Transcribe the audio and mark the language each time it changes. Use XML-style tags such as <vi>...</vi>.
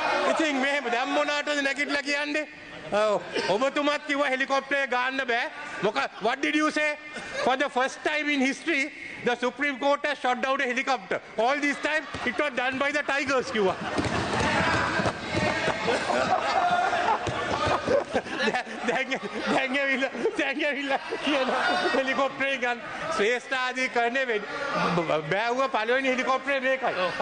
<si>ඉතින් මෙහෙම දැන් මොනාටද නැගිටලා කියන්නේ? ඔබතුමත් කිව්වා හෙලිකොප්ටරේ ගන්න බෑ.</si> <en>මොකක් what did you say? For the first time in history the supreme court has shot down a helicopter. All this time it was done by the tigers කිව්වා.</en> <si>දැන් ඇවිල්ලා කියන හෙලිකොප්ටරේ ගන්න ශ්‍රේෂ්ඨාධිකරණය වෙන්නේ බෑවුව පළවෙනි හෙලිකොප්ටරේ මේකයි.</si>